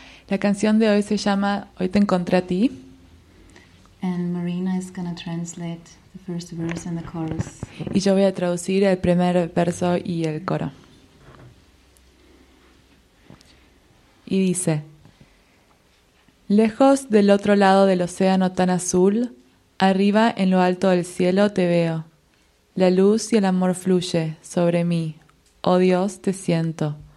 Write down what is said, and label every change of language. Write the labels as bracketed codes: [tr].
[es] La canción de hoy se llama Hoy te encontré a ti. [en] And Marina is going to translate the first verse and the chorus. [es] Y yo voy a traducir el primer verso y el coro. Y dice: Lejos del otro lado del océano tan azul, arriba en lo alto del cielo te veo. La luz y el amor fluye sobre mí, oh Dios, te siento.